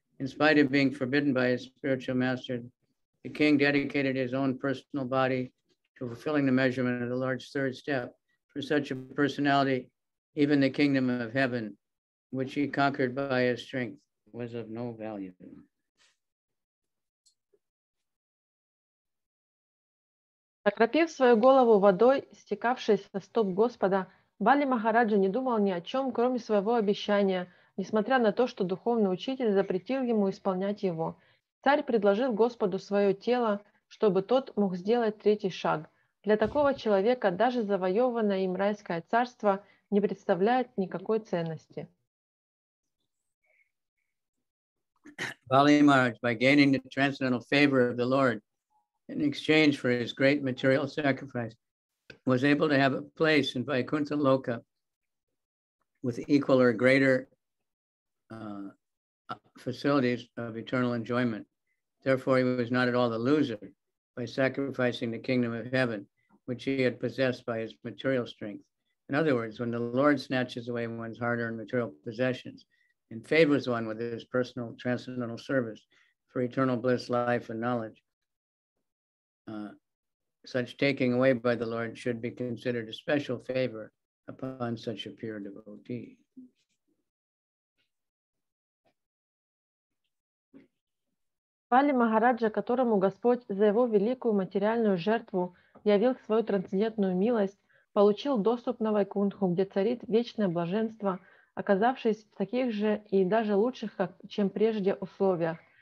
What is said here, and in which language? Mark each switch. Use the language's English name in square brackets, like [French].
[English] In spite of being forbidden by his spiritual master, the king dedicated his own personal body to fulfilling the measurement of the Lord's third step. For such a personality, even the kingdom of heaven, which he conquered by his strength, was of no value. [Russian] Окропив свою голову водой, стекавшей со стоп Господа, Бали Махараджа не думал ни о чем, кроме своего обещания, несмотря на то, что духовный учитель запретил ему исполнять его. Царь предложил Господу свое тело, чтобы тот мог сделать третий шаг. Для такого человека даже завоеванное им райское царство не представляет никакой ценности. [English] Бали Махараджа, by gaining the transcendental favor of the Lord, in exchange for his great material sacrifice, was able to have a place in Vaikuntha Loka with equal or greater facilities of eternal enjoyment. Therefore, he was not at all the loser by sacrificing the kingdom of heaven, which he had possessed by his material strength. In other words, when the Lord snatches away one's hard-earned material possessions and favors one with his personal transcendental service for eternal bliss, life, and knowledge, such taking away by the Lord should be considered a special favor upon such a pure devotee. [Russian] Бали Махараджа, которому Господь за его великую материальную жертву явил свою трансцендентную милость, получил доступ на Вайкунтху, где царит вечное блаженство, оказавшись в таких же и даже лучших, чем прежде, условиях.